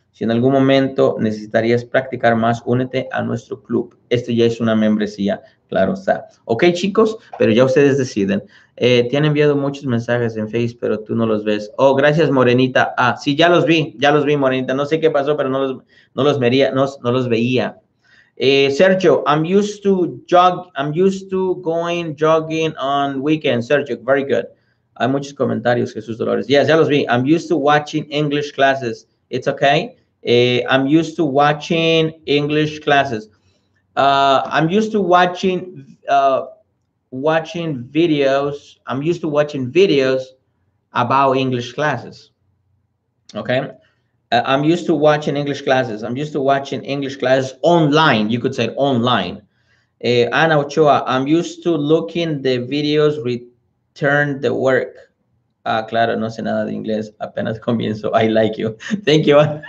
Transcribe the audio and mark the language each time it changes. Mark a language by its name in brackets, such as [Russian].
[Spanish] Si en algún momento necesitarías practicar más, únete a nuestro club. Este ya es una membresía, claro está. Ok, chicos, pero ya ustedes deciden. Te han enviado muchos mensajes en Facebook, pero tú no los ves. Oh, gracias, Morenita. Ah, sí, ya los vi, Morenita. No sé qué pasó, pero no los veía. [English] Sergio, I'm used to going jogging on weekends. Sergio, very good. [Spanish] Hay muchos comentarios, Jesús Dolores. Yes, ya los vi. [English] I'm used to watching English classes. It's okay. I'm used to watching English classes. I'm used to watching videos. I'm used to watching videos about English classes. Okay. I'm used to watching English classes. I'm used to watching English classes online. You could say online. Ana Ochoa, I'm used to looking the videos return the work. [Spanish] Ah, claro, no sé nada de inglés. Apenas comienzo. [English] I like you. Thank you.